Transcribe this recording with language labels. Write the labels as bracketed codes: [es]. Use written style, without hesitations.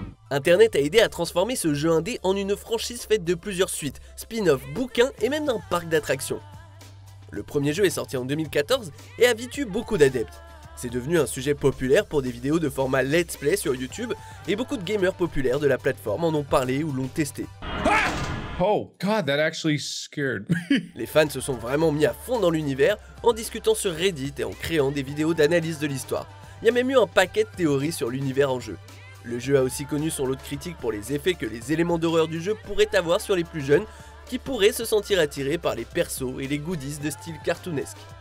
[fr] Internet a aidé à transformer ce jeu indé en une franchise faite de plusieurs suites, spin-off, bouquins et même d'un parc d'attractions. Le premier jeu est sorti en 2014 et a vite eu beaucoup d'adeptes. C'est devenu un sujet populaire pour des vidéos de format Let's Play sur YouTube et beaucoup de gamers populaires de la plateforme en ont parlé ou l'ont testé. [en] Ah oh god, that actually scared me. [fr] Les fans se sont vraiment mis à fond dans l'univers en discutant sur Reddit et en créant des vidéos d'analyse de l'histoire. Il y a même eu un paquet de théories sur l'univers en jeu. Le jeu a aussi connu son lot de critiques pour les effets que les éléments d'horreur du jeu pourraient avoir sur les plus jeunes, qui pourraient se sentir attirés par les persos et les goodies de style cartoonesque.